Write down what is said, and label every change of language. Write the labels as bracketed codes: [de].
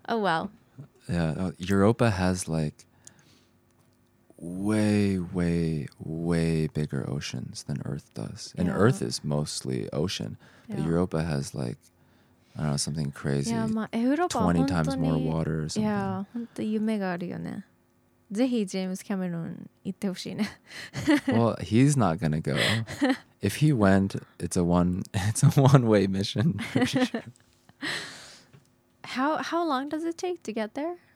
[en] Oh, well. Yeah. Europa has like way, way, way bigger oceans than Earth does. Yeah. And Earth is mostly ocean. Yeah. But Europa has like, I don't know, something crazy. [ja] Yeah, まあ、ヨーロッパ [en] 20times more water or something. [ja] Yeah, 本当に夢があるよね。ぜひジェームス・キャメロン行ってほしいね。 [en] Well, he's not gonna go. If he went, it's a one-way mission. How long does it take to get there?